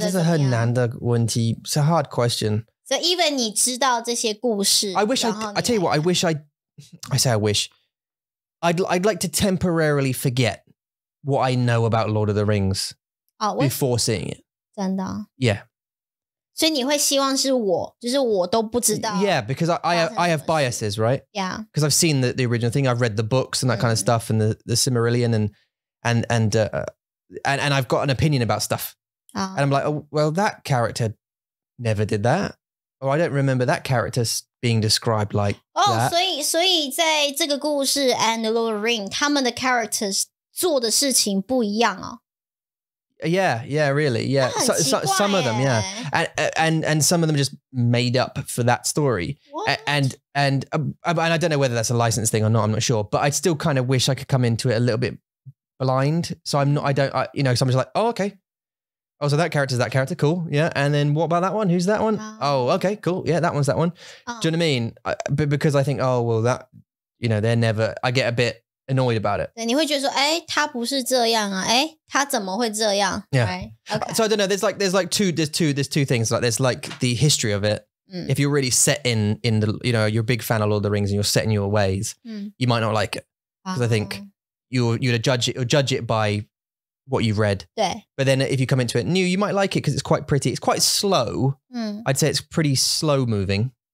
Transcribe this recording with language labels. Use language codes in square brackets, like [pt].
[zh] 这是很难的问题. [en] It's a hard question. So even [zh] 你知道这些故事, [en] I wish I tell you what, I wish I'd like to temporarily forget what I know about Lord of the Rings before seeing it. [zh] 真的? [en] Yeah. [zh] 所以你会希望是我, 就是我都不知道。 [en] Yeah, because I have biases, right? Yeah. Because I've seen the original thing, I've read the books and that kind of stuff and the Silmarillion and I've got an opinion about stuff. And I'm like, oh, well, that character never did that. Oh, I don't remember that character being described like that. Oh, so in this story and Lord of the Rings, their characters do the thing different. Yeah, yeah, really, yeah. Some of them, yeah, and some of them just made up for that story. What? And I don't know whether that's a licensed thing or not. I'm not sure, but I still kind of wish I could come into it a little bit blind. So I'm not. So I'm just like, oh, okay. Oh, so that character's that character. Cool. Yeah. And then what about that one? Who's that one? Okay. Cool. Yeah. That one's that one. Do you know what I mean? Because I think, oh, well that, you know, they're never, I get a bit annoyed about it. [zh] 你会觉得说,诶,他不是这样啊,诶,他怎么会这样? [en] Yeah. Okay. So I don't know. There's two things. Like there's like the history of it. If you're really set in the, you know, you're a big fan of Lord of the Rings and you're set in your ways, you might not like it. Because I think you'd judge it by what you've read. But then if you come into it new, you might like it because it's quite pretty. It's quite slow. I'd say it's pretty slow moving.